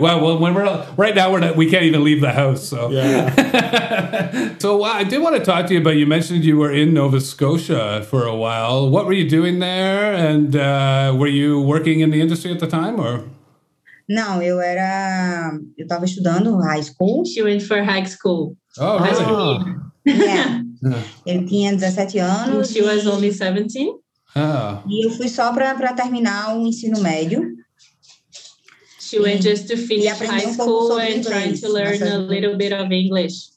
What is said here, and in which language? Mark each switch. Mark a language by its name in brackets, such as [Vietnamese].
[English] Well, when we're right now, we can't even leave the house. So. Yeah. So I did want to talk to you, but you mentioned you were in Nova Scotia for a while. What were you doing there? And were you working in the industry at the time, or? [Portuguese] No, eu estava estudando [English] high school. She went for high school. Oh, really? [Portuguese] Yeah. Ele tinha 17 anos. [English] She was only 17. Oh. [Portuguese] E eu fui só para terminar o ensino médio. [English] She went just to finish high school and trying to learn a little bit of English.